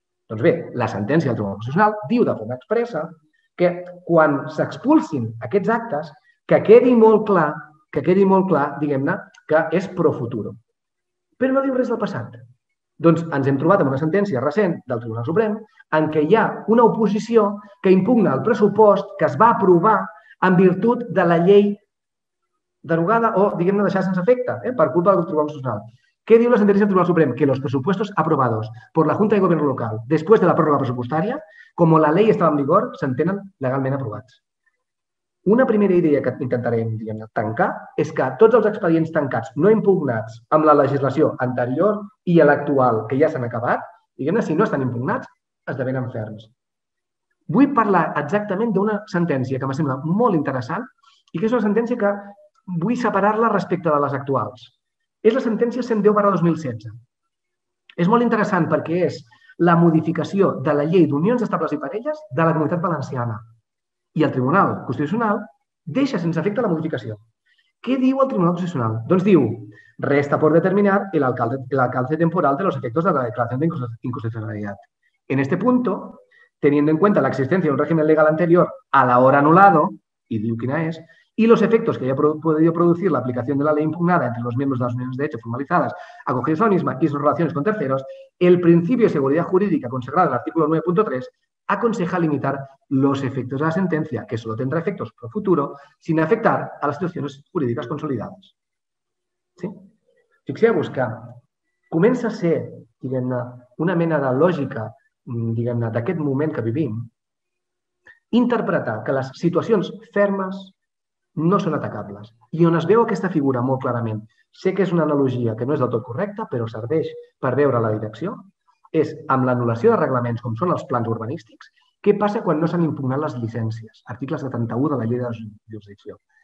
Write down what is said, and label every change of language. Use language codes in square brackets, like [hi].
[ca] Doncs bé, la sentència del Tribunal Constitucional diu de forma expressa que quan s'expulsin aquests actes, que quedi molt clar, que quedi molt clar, diguem-ne, que és pro futuro. Però no diu res del passat. Doncs ens hem trobat amb una sentència recent del Tribunal Suprem en què hi ha una oposició que impugna el pressupost que es va aprovar en virtut de la llei derogada o, diguem-ne, deixada sense efecte, per culpa del Tribunal Constitucional. Què diu la sentència del Tribunal Suprem? [es] Que los presupuestos aprobados por la Junta de Gobierno Local después de la pròrroga presupuestaria, [ca] com la llei estava en vigor, s'entenen legalment aprovats. Una primera idea que intentarem, diguem-ne, tancar és que tots els expedients tancats no impugnats amb la legislació anterior i a l'actual, que ja s'han acabat, diguem-ne, si no estan impugnats, esdevenen ferms. Vull parlar exactament d'una sentència que m'assembla molt interessant i que és una sentència que vull separar-la respecte de les actuals. És la sentència 110/2016. És molt interessant perquè és la modificació de la llei d'unions estables i parelles de la Comunitat Valenciana. I el Tribunal Constitucional deixa sense efecte la modificació. Què diu el Tribunal Constitucional? Doncs diu, [es] resta por determinar el alcance temporal de los efectos de la declaración de inconstitucionalidad. En este punto, teniendo en cuenta la existencia de un régimen legal anterior a la hora anulado, y [ca] diu quina és, [es] y los efectos que haya podido producir la aplicación de la ley impugnada entre los miembros de las uniones de hecho formalizadas, acogidos a la misma y sus relaciones con terceros, el principio de seguridad jurídica consagrado en el artículo 9.3 aconseja limitar los efectos de la sentencia, que solo tendrá efectos pro futuro, sin afectar a las situaciones jurídicas consolidadas. ¿Sí? [ca] Fixeu-vos que comença a ser, diguem-ne, una mena de lògica, diguem-ne, d'aquest moment que vivim, interpretar que les situacions fermes no són atacables. I on es veu aquesta figura molt clarament, sé que és una analogia que no és del tot correcta, però serveix per veure la direcció, és amb l'anul·lació de reglaments com són els plans urbanístics, què passa quan no s'han impugnat les llicències, article 71 de la llei de jurisdicció.